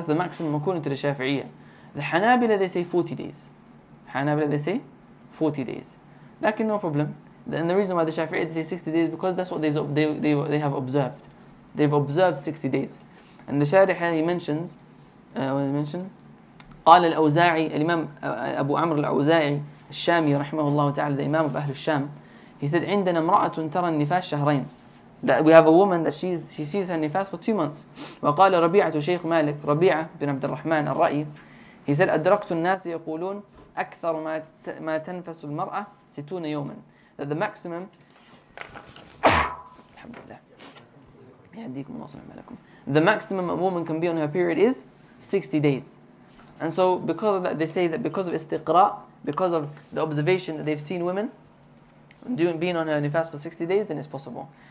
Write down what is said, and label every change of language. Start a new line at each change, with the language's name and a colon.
English: That's the maximum according to the Shafi'iyya. The Hanabila, they say 40 days. Hanabila, they say 40 days. Lakin, no problem. And the reason why the Shafi'iyya, they say 60 days, because that's what they have observed. They've observed 60 days. And the Shari'a, he mentions, what did he mention?
Arabic: قال الأوزاعي, الإمام أبو عمر الأوزاعي الشامي رحمه الله تعالى,
English: the Imam of
Arabic: أهل الشام,
English: he said,
Arabic: عندنا امرأة ترى النفاس شهرين.
English: That we have a woman that she sees her nifas for 2 months.
Arabic: وقال ربيعة شيخ مالك, ربيعة بن عبد الرحمن الرأي,
English: he said,
Arabic: أدركت الناس يقولون أكثر ما تنفس المرأة 60 يوما.
English: That the maximum,
Arabic: الحمد لله, يهديكم الله صلى الله عليه وسلم,
English: the maximum a woman can be on her period is 60 days. And so because of that, they say that because of istiqra, because of the observation that they've seen women being on her nifas for 60 days, then it's possible.